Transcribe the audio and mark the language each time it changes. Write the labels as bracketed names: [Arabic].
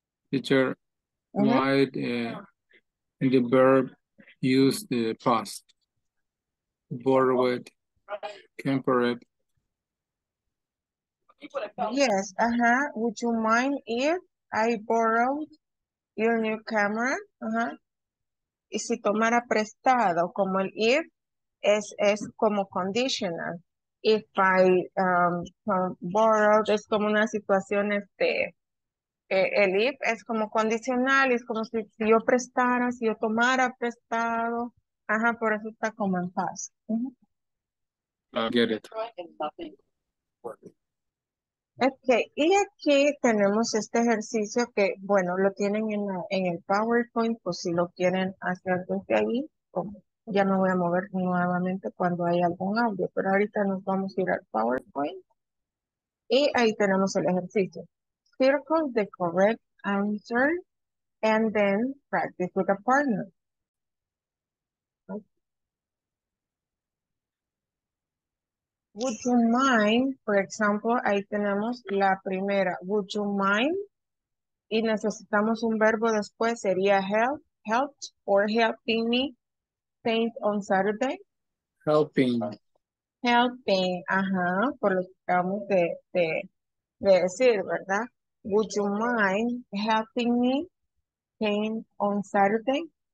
[English] Teacher, mm-hmm. Why the verb use the past? Borrowed, tempered. Yes, uh-huh. Would you mind if I borrowed your new camera? Uh-huh. [Spanish] Y si tomara prestado, como el if, es como conditional. [English] If I borrowed, [Spanish] es como una situación, el if es como condicional, es como si yo prestara, si yo tomara prestado, ajá, uh-huh, por eso está como en paz. Uh-huh. [English] I get it. [Spanish] Okay, y aquí tenemos este ejercicio que, bueno, lo tienen en el PowerPoint, pues si lo quieren hacer desde ahí, como ya me voy a mover nuevamente cuando hay algún audio, pero ahorita nos vamos a ir al PowerPoint. Y ahí tenemos el ejercicio. [English] Circle the correct answer and then practice with a partner. Would you mind, for example, [Spanish] ahí tenemos la primera, [English] would you mind, [Spanish] y necesitamos un verbo después, sería [English] help, helped, or helping me paint on Saturday. Helping. [Spanish] Helping, ajá, por lo que acabamos de decir, ¿verdad? [English] Would you mind helping me paint on Saturday?